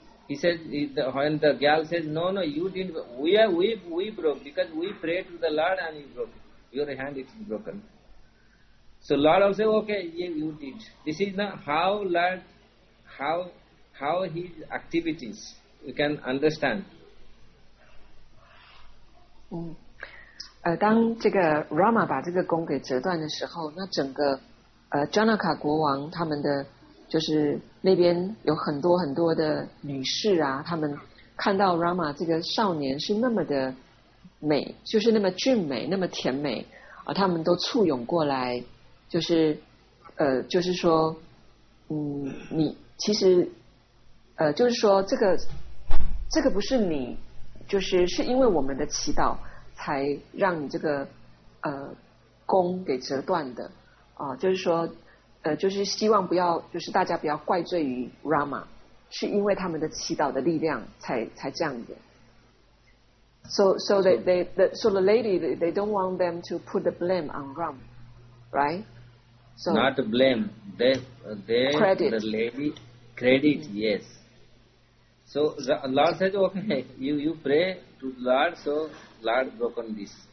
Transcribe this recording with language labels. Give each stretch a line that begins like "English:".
English: He said, when the girl says, no, you didn't, we broke, because we prayed to the Lord and you broke it. Your hand is broken. So Lord also, okay, yeah, you did. This is not how Lord, how his activities, we can understand.
Chinese: 当这个 Rama 把这个弓给折断的时候，那整个Janaka 国王他们的就是那边有很多很多的女士啊，他们看到 Rama 这个少年是那么的美，就是那么俊美，那么甜美啊，他们都簇拥过来，就是就是说，你其实就是说这个不是你，就是因为我们的祈祷才让你这个弓给折断的啊，就是说。就是希望不要，就是大家不要怪罪于 Rama， 是因为他们的祈祷的力量才这样子。
English: So the lady, they don't want them to put the blame on Ram, right? So not the blame, they credit. The lady credit, yes. So Lord said, okay, you pray to Lord, so Lord broken this.